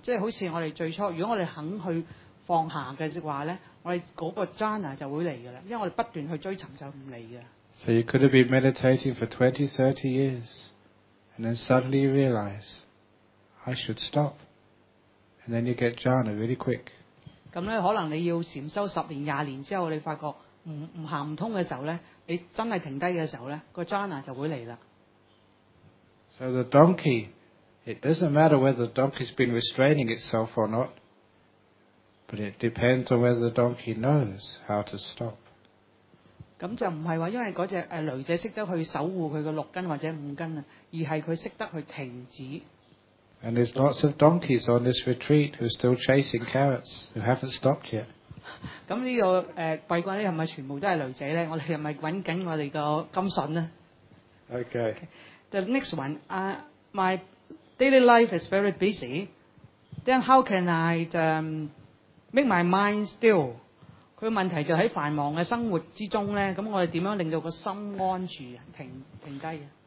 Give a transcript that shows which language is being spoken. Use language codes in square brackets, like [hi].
[yue] 即系好似我哋最初，如果我哋肯去放下嘅话咧，我哋嗰个 jhana 就会嚟噶啦。因为我哋不断去追寻就唔嚟噶。 [en] So you could have been meditating for 20-30 years, and then suddenly you realize, I should stop, and then you get jhana really quick. [yue] 咁咧，可能你要禅修十年、廿年之后，你发觉唔行唔通嘅时候咧，你真系停低嘅时候咧，个 jhana 就会嚟啦。 [en] So the donkey, it doesn't matter whether the donkey's been restraining itself or not, but it depends on whether the donkey knows how to stop. [yue] 咁就唔系话因为嗰只驴仔识得去守护佢个六根或者五根啊，而系佢识得去停止。 [en] And there's lots of donkeys on this retreat who are still chasing carrots, who haven't stopped yet. [yue] 咁呢个闭关咧，系咪全部都系驴仔咧？我哋系咪揾紧我哋个金笋咧 [en] ？Okay. The next one, my daily life is very busy. Then how can I make my mind still? [yue] 佢问题就喺繁忙嘅生活之中咧，咁我哋点样令到个心安住停低？